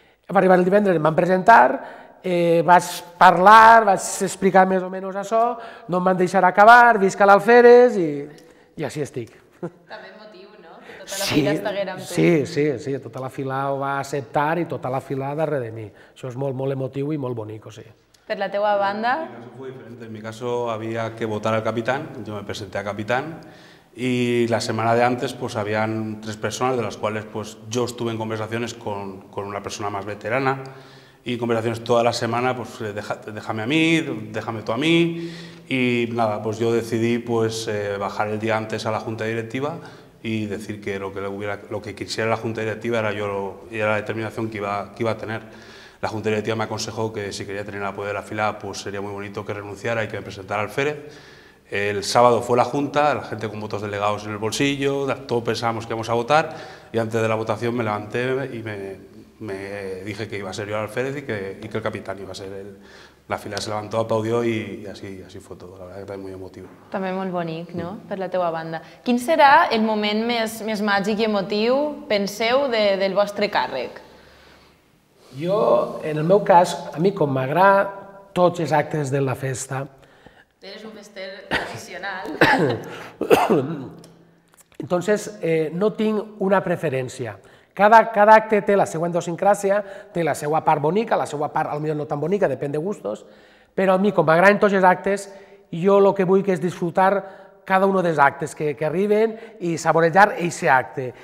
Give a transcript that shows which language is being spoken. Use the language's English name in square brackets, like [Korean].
[Catalan] Va arribar el divendres, em van presentar, vaig parlar, vaig explicar més o menys això, no em van deixar acabar, visca l'Alferes i així estic. També motiu, no? Que tota la fila sí, estiguera amb tu. Sí, tota la fila ho va acceptar i tota la fila darrere de mi. Això és molt, molt emotiu i molt bonic, o sigui. Per la teua banda? [Spanish] En mi cas havia que votar al capitán, jo me presenté a capitán, [Catalan] i la setmana d'abans pues, hi havia tres persones, de les quals [Spanish] pues, jo estuve en conversacions con una persona més veterana, y conversaciones toda la semana, pues déjame a mí, déjame tú a mí, y nada, pues yo decidí pues bajar el día antes a la junta directiva y decir que lo que quisiera la junta directiva era yo y era la determinación que iba a tener. La junta directiva me aconsejó que si quería tener el apoyo de la fila, pues sería muy bonito que renunciara y que me presentara al FERE. El sábado fue la junta, la gente con votos delegados en el bolsillo, todos pensábamos que íbamos a votar, y antes de la votación me levanté y me dije que iba a ser yo el Alférez y que el capitán iba a ser él. [Catalan] La fila [Spanish] se levantó, aplaudió [Catalan] i així fou tot. La veritat que també molt emotiu. També molt bonic, no?, per la teua banda. Quin serà el moment més màgic i emotiu, penseu, del vostre càrrec? Jo, en el meu cas, a mi com m'agrada tots els actes de la festa... [Spanish] Eres un fester tradicional. Entonces, [Catalan] no tinc una preferència. Cada acte té la seva endosincràcia, té la seva part bonica, la seva part potser no tan bonica, depèn de gustos, però a mi, com m'agraden tots els actes, jo el que vull és disfrutar cada un dels actes que arriben i saborejar aquest acte.